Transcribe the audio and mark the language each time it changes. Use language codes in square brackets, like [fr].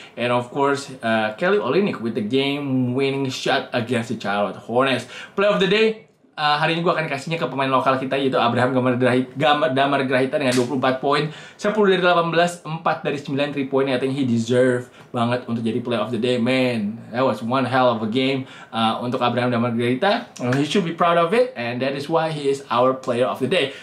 [en] And of course, Kelly Olynyk with the game winning shot against the Charlotte Hornets. [id] Play of the day, hari ini gue akan kasihnya ke pemain lokal kita, yaitu Abraham Damar Grahita dengan 24 poin, 10 dari 18, 4 dari 9 3 poin. [en] I think he deserve [id] banget untuk jadi play of the day, man. [en] That was one hell of a game untuk Abraham Damar Grahita. He should be proud of it, and that is why he is our player of the day.